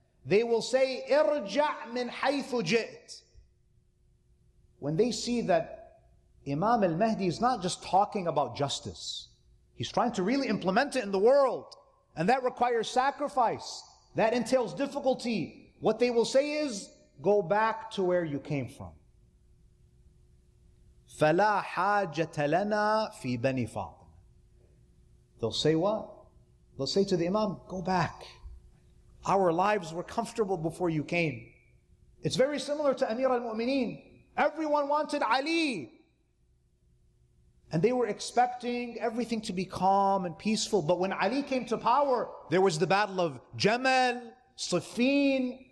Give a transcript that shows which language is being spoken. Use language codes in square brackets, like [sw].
[en] They will say, [ar] irja' min haythu jit. [en] When they see that Imam al-Mahdi is not just talking about justice, he's trying to really implement it in the world. And that requires sacrifice. That entails difficulty. What they will say is, go back to where you came from. [ar] فَلَا حَاجَةَ لَنَا فِي بَنِي فَاطِمَ [en] They'll say what? They'll say to the Imam, go back. Our lives were comfortable before you came. It's very similar to Amir al-Mu'mineen. Everyone wanted Ali. And they were expecting everything to be calm and peaceful. But when Ali came to power, there was the battle of Jamal, Siffin.